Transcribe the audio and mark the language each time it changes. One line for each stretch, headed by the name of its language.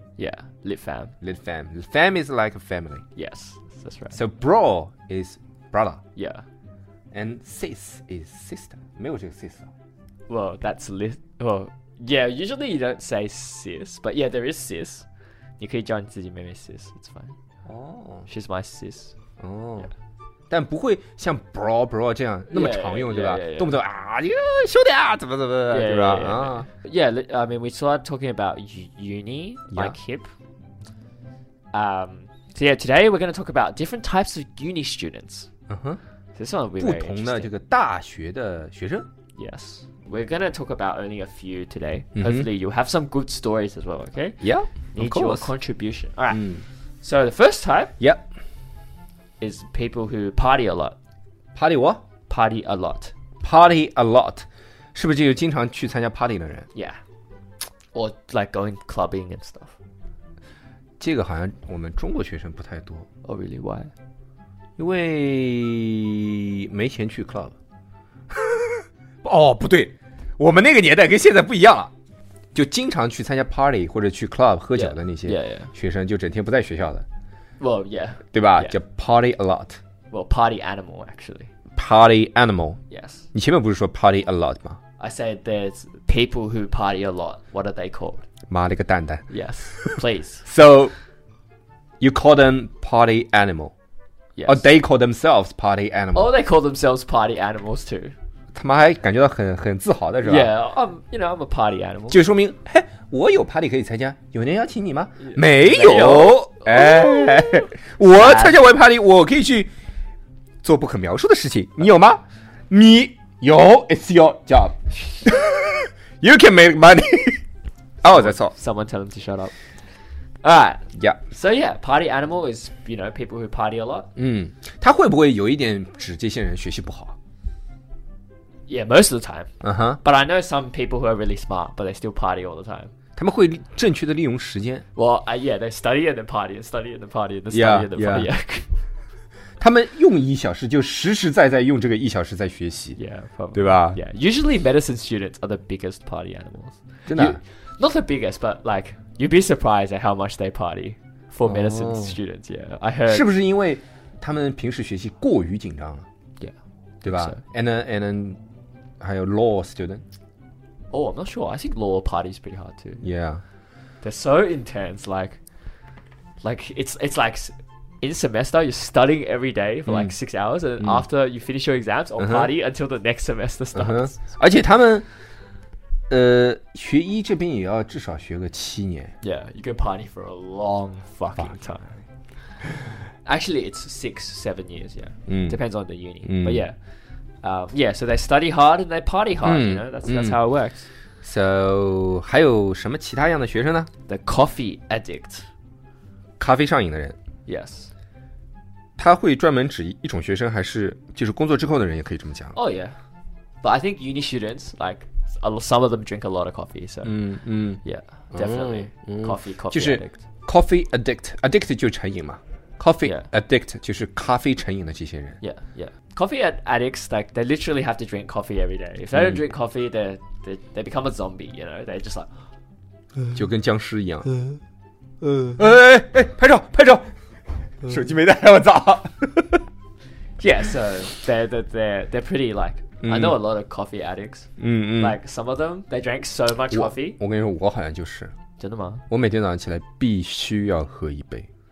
English: Yeah, lit fam. Lit fam. Fam is like a family. Yes, that's right. So, bro is brother. Yeah. And sis is sister.
Chinese: 没有这个
English: sis. Well, that's lit. Well, yeah, usually you don't say sis, but yeah, there is sis.
Chinese: 你可以叫你自己妹妹 sis,
English: it's fine. Oh. She's my sis. Oh. Yeah.
Chinese: 但不会像 bro 这样那么常用
English: yeah,
Chinese: 对吧
English: yeah, yeah,
Chinese: 动不动啊你个兄弟啊怎么
English: yeah,
Chinese: 对吧
English: yeah, yeah. Yeah, I mean we started talking about uni like、yeah. hip So yeah, today we're going to talk about different types of uni students、 uh-huh. This one will be
Chinese: 不同的这个大学的学生
English: Yes, we're going to talk about only a few today Hopefully you'll have some good stories as well, okay? Yeah, Need of course Need your contribution Alright,、mm. so the first type Yep、yeah. Is people who party a lot. Party what? Party a lot. Party a lot.
Chinese: 是不是就经常去参加 party 的人
English: Yeah. Or like going clubbing and stuff.
Chinese: 这个好像我们中国学生不太多
English: Oh really? Why?
Chinese: 因为没钱去 club. 哦不对我们那个年代跟现在不一样了就经常去参加 party 或者去 club 喝酒的那些学生就整天不在学校的
English: Well, yeah.
Chinese: 对吧
English: yeah. 就 party a lot. Well, party animal, actually. Party animal? Yes.
Chinese: 你前面不是说 party a lot 吗
English: I said there's people who party a lot. What are they called?
Chinese: 妈了个蛋蛋。
English: Yes, please. So, you call them party animal. Yes. Or they call themselves party animal. Oh, they call themselves party animals too.
Chinese: 他妈还感觉到很自豪的是吧
English: Yeah, you know, I'm a party animal.
Chinese: 就说明我有 party 可以参加有人邀请你吗、yeah. 没有。没有哎、我参加完 party 我可以去做不可描述的事情你有吗你有
English: It's your job You can make money Oh that's all Someone tell them to shut up yeah. So yeah party animal is You know people who party a lot、
Chinese: 他会不会有一点指这些人学习不好
English: Yeah most of the time、 uh-huh. But I know some people who are really smart But they still party all the time
Chinese: 他们会正确的利用时间。
English: Well, yeah, they study and they party, study and they party, they study they party.
Chinese: 他们用一小时就实实在在用这个一小时在学习。
English: Yeah, probably.
Chinese: 对吧
English: ？Yeah, usually medicine students are the biggest party animals.
Chinese: 真的
English: ？Not the biggest, but like you'd be surprised at how much they party for medicine students. Yeah, I heard.
Chinese: 是不是因为他们平时学习过于紧张了
English: ？Yeah,
Chinese: 对吧
English: ？And then,
Chinese: 还有
English: law student. Oh, I'm not sure. I think law party is pretty hard too. Yeah. They're so intense. Like it's like in semester, you're studying every day for like 6 hours. And after you finish your exams or party until the next semester starts.
Chinese: 而且他们学医这边也要至少学个七年。
English: Yeah, you can party for a long fucking time. Actually, it's 6-7 years. Yeah. Depends on the uni. But yeah. Yeah, so they study hard and they party hard, you know, that's how it works.
Chinese: So, 还有什么其他样的学生呢?
English: The coffee addict.
Chinese: 咖啡上瘾的人。
English: Yes.
Chinese: 他会专门指一种学生还是就是工作之后的人也可以这么讲。
English: Oh, yeah. But I think uni students, like, some of them drink a lot of coffee, so, yeah, definitely, coffee addict.
Chinese: Addict 就是成瘾嘛。Coffee addict 就是咖啡成瘾的这些人。
English: Yeah, yeah. Coffee addicts, like, they literally have to drink coffee every day. If they don't drink coffee, they become a zombie, you know? They're just like...
Chinese: 就跟僵尸一样。拍照拍照，手机没带我咋。
English: Yes, they're pretty like、嗯、 I know a lot of coffee addicts、嗯、 Like some of them, they drank so much coffee.
Chinese: 我跟你说我好像就是。真的吗？我每天早上起来必须要喝一杯。